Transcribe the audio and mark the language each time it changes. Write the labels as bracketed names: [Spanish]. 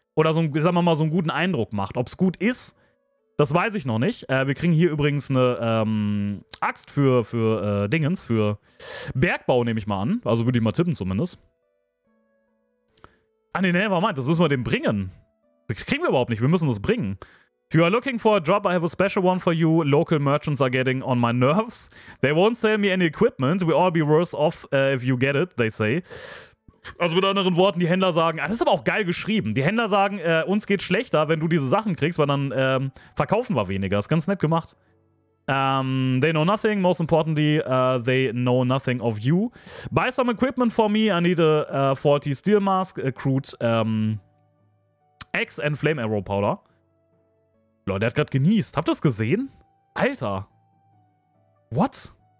[German] Oder so, sagen wir mal, so einen guten Eindruck macht. Ob es gut ist, das weiß ich noch nicht. Wir kriegen hier übrigens eine Axt für Bergbau, nehme ich mal an. Also würde ich mal tippen zumindest. Ah nee, warte mal, das müssen wir dem bringen. Kriegen wir überhaupt nicht, wir müssen das bringen. [English] If you are looking for a job, I have a special one for you. Local merchants are getting on my nerves. They won't sell me any equipment. We all be worse off if you get it, they say. [German] Also mit anderen Worten, die Händler sagen, das ist aber auch geil geschrieben. Die Händler sagen, uns geht schlechter, wenn du diese Sachen kriegst, weil dann verkaufen wir weniger. Ist ganz nett gemacht. [English] They know nothing. Most importantly, they know nothing of you. Buy some equipment for me. I need a 40 steel mask, a crude axe and flame arrow powder. [German] Leute, der hat gerade genießt. Habt ihr das gesehen? Alter. [English] What?